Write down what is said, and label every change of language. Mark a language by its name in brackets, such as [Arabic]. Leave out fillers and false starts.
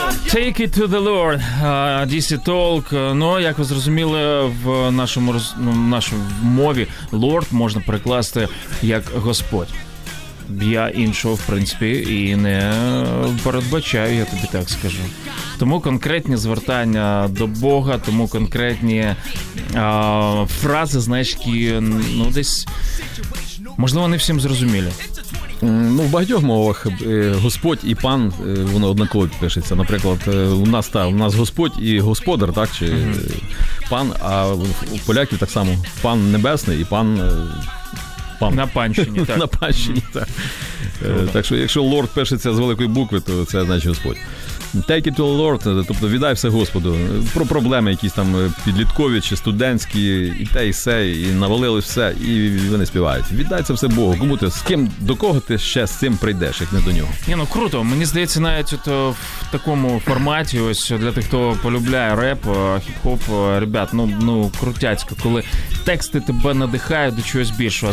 [English] Take it to the Lord, DC Talk. [Ukrainian] Ну, як ви зрозуміли, в нашому мові Lord можна перекласти як Господь. Я іншого, в принципі, і не передбачаю, я тобі так скажу. Тому конкретні звертання до Бога, тому конкретні фрази, знаєш, які, ну, десь, можливо, не всім зрозумілі. Ну, в багатьох мовах господь і пан воно однаково пишеться. Наприклад, у нас господь і господар, так чи пан, а у поляків так само пан небесний і пан. Пам. На панщині, так. На панщині, так. Так що, якщо лорд пишеться з великої букви, то це значить Господь. [English] Take it to the Lord, [Ukrainian] тобто віддай все Господу. Про проблеми якісь там підліткові чи студентські, і те, і все, і навалилось все, і вони співають. Віддай це все Богу. Кому ти, з ким, до кого ти ще з цим прийдеш, як не до нього? Ні, ну круто. Мені здається, навіть от в такому форматі, ось для тих, хто полюбляє реп, хіп-хоп, ребят, ну крутяцько, коли тексти тебе надихають до чогось більшого.